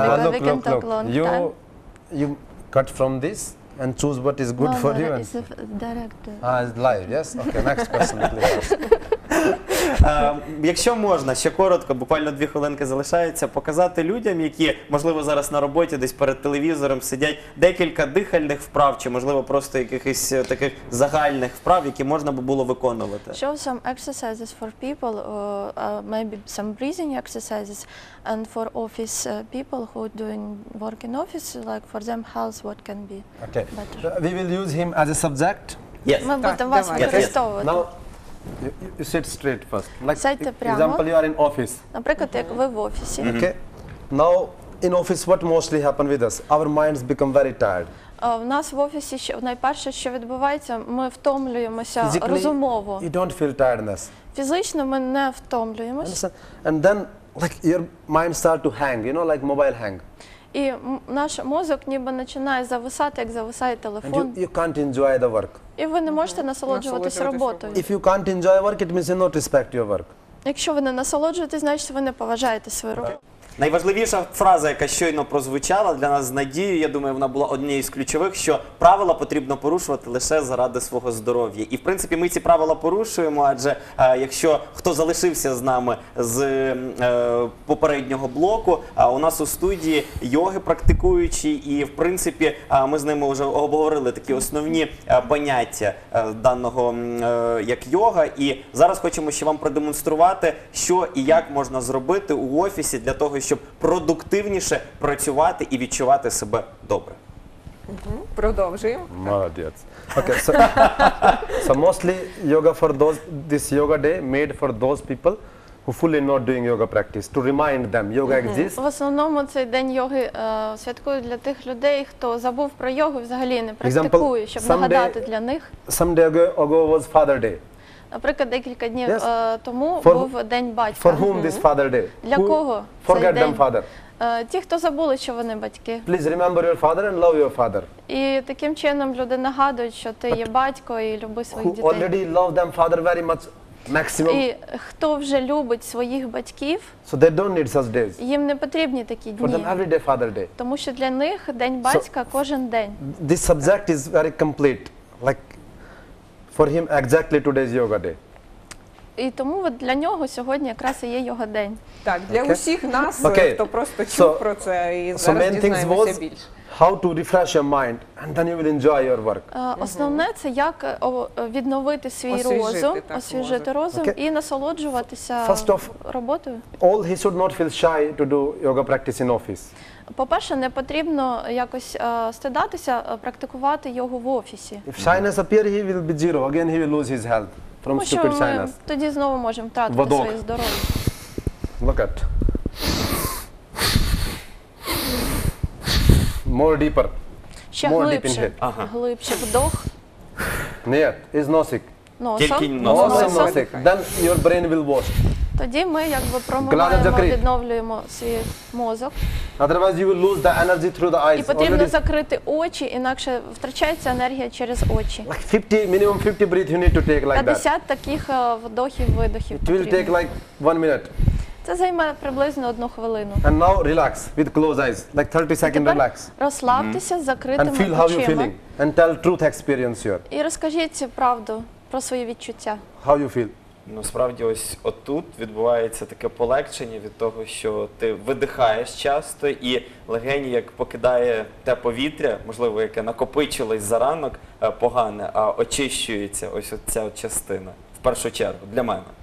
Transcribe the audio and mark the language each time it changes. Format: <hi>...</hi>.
<en>Look. You cut from this and choose what is good for you. It's director. It's live, yes? Okay, next person, please.</en> <uk>Якщо можна, ще коротко, буквально дві хвилинки залишається, показати людям, які, можливо, зараз на роботі, десь перед телевізором сидять, декілька дихальних вправ, чи, можливо, просто якихось таких загальних вправ, які можна би було виконувати.</uk> <en>Show some exercises for people, maybe some breathing exercises, and for office people who doing work in office, like for them health, what can be okay. better. We will use him as a subject? Yes.</en> <uk>Ми будемо вас використовувати.</uk> <en>You sit straight first. Like,</en> <uk>сядьте прямо.</uk> <en>Example, you are in office.</en> <uk>Наприклад, як ви в офісі.</uk> <en>Okay. Now, in office, what mostly happen with us? Our minds become very tired.</en> <uk>В нас в офісі найперше, що відбувається, ми втомлюємося розумово.</uk> <en>You don't feel tiredness.</en> <uk>Фізично ми не втомлюємося.</uk> <en>And then, like, your mind start to hang, you know, like mobile hang.</en> <uk>І наш мозок ніби починає зависати, як зависає телефон.</uk> <en>And you can't enjoy the work.</en> <uk>І ви не можете насолоджуватись роботою.</uk> <en>If you can't enjoy work, it means you don't respect your work.</en> <uk>Якщо ви не насолоджуєтесь, значить ви не поважаєте свою роботу. Найважливіша фраза, яка щойно прозвучала для нас з Надією, я думаю, вона була однією з ключових, що правила потрібно порушувати лише заради свого здоров'я. І, в принципі, ми ці правила порушуємо, адже якщо хто залишився з нами з попереднього блоку, у нас у студії йоги практикуючі, і, в принципі, ми з ними вже обговорили такі основні поняття даного як йога. І зараз хочемо ще вам продемонструвати, що і як можна зробити у офісі для того, щоб продуктивніше працювати і відчувати себе добре. Продовжуємо. Молодець.</uk> <en>Okay, so mostly yoga for those, this yoga day made for those people who fully not doing yoga practice, to remind them yoga exists.</en> <uk>В основному цей день йоги святкують для тих людей, хто забув про йогу, взагалі не практикує, щоб нагадати для них.</uk> <en>Some day ago was Father Day.</en> <uk>Наприклад, декілька днів тому був День батька.</uk> <en>For whom this Father Day?</en> <uk>Для кого?</uk> <en>Forget them, Father.</en> <uk>Ті, хто забули, що вони батьки.</uk> <en>Please remember your father and love your father.</en> <uk>І таким чином люди нагадують, що ти є батько і люби своїх дітей.</uk> <en>Who already love them father very much maximum.</en> <uk>І хто вже любить своїх батьків?</uk> <en>So they don't need such days.</en> <uk>Їм не потрібні такі дні.</uk> <en>For them every day Father Day.</en> <uk>Тому що для них День батька кожен день.</uk> <en>This subject is very complete. Like for him exactly today's yoga day.</en> <uk>І тому от для нього сьогодні якраз і є його день. Так, для усіх нас, хто просто чув про це і зараз дізнаємося більше.</uk> <en>how to refresh your mind, and then you will enjoy your work.</en> <uk>Основне це як відновити свій розум, освіжити розум і насолоджуватися роботою.</uk> <en>All he should not feel shy to do yoga practice in office.</en> <uk>По-перше, не потрібно якось стидатися практикувати йогу в офісі.</uk> <en>If shyness appears, he will be zero. Again, he will lose his health from stupid shyness.</en> <uk>Ми тоді знову можемо втратити своє здоров'я.</uk> <en>Look at. More deeper.</en> <uk>Ще</uk> <en>more</en> <uk>глибше.</uk> <en>Deep in</en> <uk>ага. Глибше вдох. Ні, із носик. Носом. Носик.</uk> <en>Then your brain will wash.</en> <uk>Тоді ми якби промиваємо, відновлюємо свій мозок.</uk> <en>Otherwise you will lose the energy through the eyes.</en> <uk>І потрібно закрити очі, інакше втрачається енергія через очі.</uk> <en>Like 50, minimum 50 breath you need to take like 50 that.</en> <uk>50 таких вдохів-видохів.</uk> <en>It will take like 1 minute.</en> <uk>Це займе приблизно 1 хвилину.</uk> <en>And now relax with closed eyes, like 30 seconds relax.</en> <uk>Розслабтеся з закритими очима.</uk> <en>And feel how you're feeling. And tell truth experience here.</en> <uk>І розкажіть правду про свої відчуття.</uk> <en>How you feel?</en> <uk>Насправді ось отут відбувається таке полегшення від того, що ти видихаєш часто і легені як покидає те повітря, можливо, яке накопичилось за ранок погане, а очищується ось оця частина в першу чергу для мене.</uk>